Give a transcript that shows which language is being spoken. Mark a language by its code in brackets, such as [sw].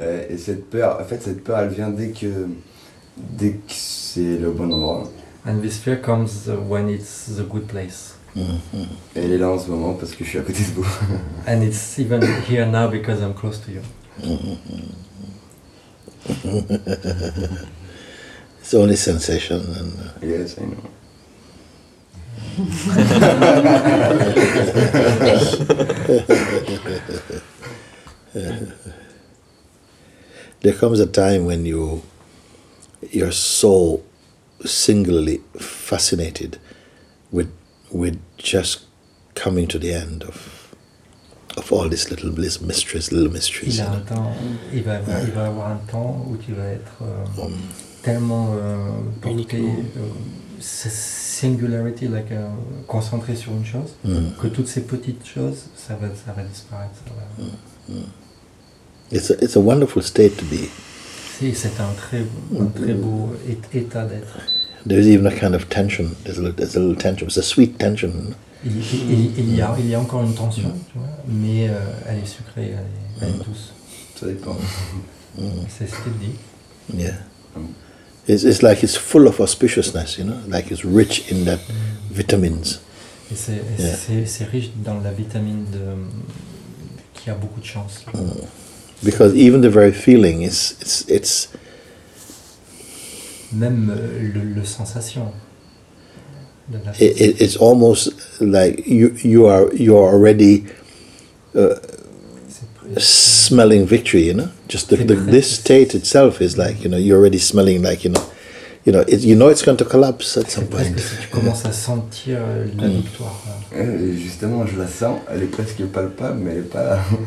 [fr] Et cette peur, en fait, cette peur, elle vient dès que c'est le bon endroit. [en] And this fear comes when it's the good place. [fr] Et elle est là en ce moment parce que je suis à côté de vous. [en] And it's even here now because I'm close to you. It's only sensation. And, yes, I know. There comes a time when you're so singularly fascinated with just coming to the end of of all these little bliss mysteries, little mysteries. [fr] Il a un temps, il va, yeah. il va avoir un temps où tu vas être tellement porté, [en] singularity, like [fr] concentré sur une chose, mm. que toutes ces petites choses, ça va disparaître. Ça va... [en] Mm. It's a wonderful state to be. [fr] Si, c'est un très beau état d'être. [en] There is even a kind of tension. There's a little tension. It's a sweet tension. [fr] Il y a encore une tension, mm. tu vois, mais elle est sucrée, elle est mm. douce. Ça dépend. Mm. C'est ce qu'il dit. [en] Yeah. It's like it's full of auspiciousness, you know, like it's rich in that mm. vitamins. [fr] Et c'est, yeah. c'est riche dans la vitamine de, qui a beaucoup de chance. [en] Mm. Because even the very feeling is it's [fr] même le sensation. [en] It's almost like you are already smelling victory, you know. Just the this state itself is like, you know, you're already smelling like, you know, you know it, you know it's going to collapse at some point. [fr] Tu commences à sentir la victoire. Mm. Justement, je la sens. Elle est presque palpable, mais elle est pas là.